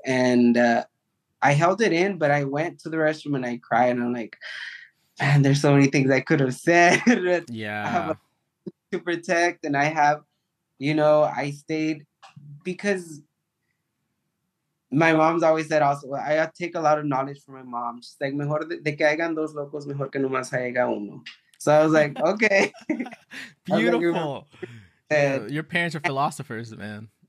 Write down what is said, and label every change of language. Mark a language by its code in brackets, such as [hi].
[en] And, I held it in, but I went to the restroom and I cried. And I'm like, man, there's so many things I could have said. Yeah. I have to protect. And I have, you know, I stayed because my mom's always said also, I take a lot of knowledge from my mom. She's like, [es] mejor de que hagan dos locos, mejor que nomás haya uno. [en] So I was like, okay. Beautiful. Your parents are philosophers, man.